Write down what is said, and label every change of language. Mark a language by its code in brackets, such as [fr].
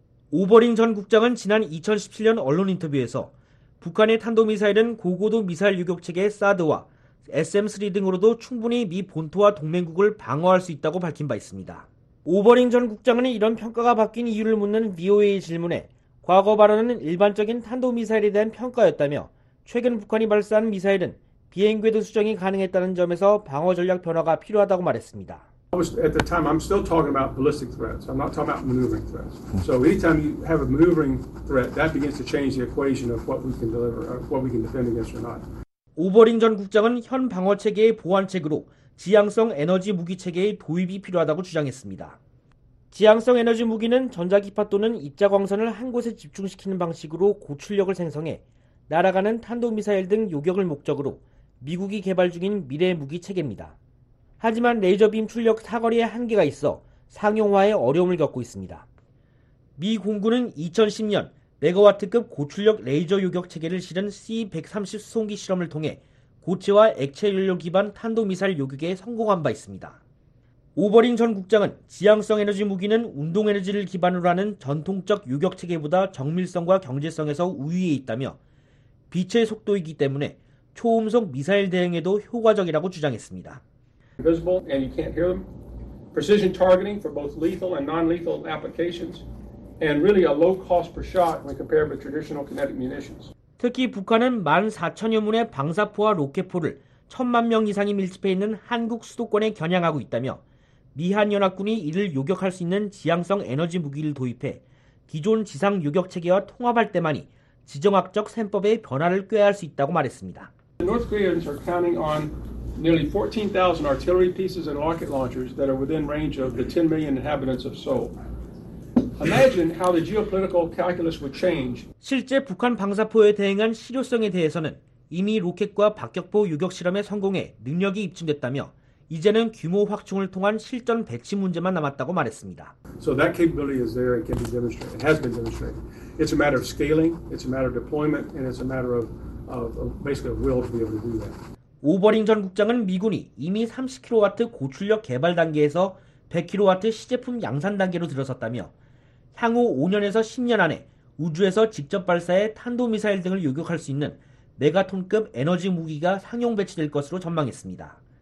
[ko] 우버링 전 국장은 지난 2017년 언론 인터뷰에서 북한의 탄도미사일은 고고도 미사일 요격체계 사드와 SM-3 등으로도 충분히 미 본토와 동맹국을 방어할 수 있다고 밝힌 바 있습니다. 우버링 전 국장은 이런 평가가 바뀐 이유를 묻는 VOA 질문에 과거 발언은 일반적인 탄도미사일에 대한 평가였다며 최근 북한이 발사한 미사일은 비행 궤도 수정이 가능했다는 점에서 방어 전략 변화가 필요하다고 말했습니다. [en] At the time, I'm still talking about ballistic threats. I'm not talking about maneuvering threats. So anytime you have a maneuvering threat, that begins to change the equation of what we can deliver, what we can defend against or not. [ko] 우버링 전 국장은 현 방어 체계의 보완책으로 지향성 에너지 무기 체계의 도입이 필요하다고 주장했습니다. 지향성 에너지 무기는 전자기파 또는 입자 광선을 한 곳에 집중시키는 방식으로 고출력을 생성해 날아가는 탄도미사일 등 요격을 목적으로 미국이 개발 중인 미래 무기 체계입니다. 하지만 레이저빔 출력 사거리에 한계가 있어 상용화에 어려움을 겪고 있습니다. 미 공군은 2010년 메가와트급 고출력 레이저 요격 체계를 실은 C-130 수송기 실험을 통해 고체와 액체 연료 기반 탄도미사일 요격에 성공한 바 있습니다. 우버링 전 국장은 지향성 에너지 무기는 운동 에너지를 기반으로 하는 전통적 요격 체계보다 정밀성과 경제성에서 우위에 있다며 빛의 속도이기 때문에 초음속 미사일 대응에도 효과적이라고 주장했습니다. [en] Invisible and you can't hear them. Precision targeting for both lethal and non-lethal applications and really a low cost per shot when compared with traditional kinetic munitions. [ko] 특히 북한은 14,000여 문의 방사포와 로켓포를 1,000만 명 이상이 밀집해 있는 한국 수도권에 겨냥하고 있다며 미한 연합군이 이를 요격할 수 있는 지향성 에너지 무기를 도입해 기존 지상 요격 체계와 통합할 때만이 지정학적 셈법의 변화를 꾀할 수 있다고 말했습니다. [en] The North Koreans are counting on nearly 14,000 artillery pieces and rocket launchers that are within range of the 10 million inhabitants of Seoul. Imagine how the geopolitical calculus would change. [ko] 실제 북한 방사포에 대응한 실효성에 대해서는 이미 로켓과 박격포 유격 실험에 성공해 능력이 입증됐다며 이제는 규모 확충을 통한 실전 배치 문제만 남았다고 말했습니다. [en] So that capability is there and can be demonstrated. It has been demonstrated. It's a matter of scaling, it's a matter of deployment, and it's a matter of basically of will to be able to do that. [ko] 오버링 전 국장은 미군이 이미 30kW 고출력 개발 단계에서 100kW 시제품 양산 단계로 들어섰다며 향후 5년에서 10년 안에 우주에서 직접 발사해 탄도미사일 등을 요격할 수 있는 메가톤급 에너지 무기가 상용 배치될 것으로 전망했습니다.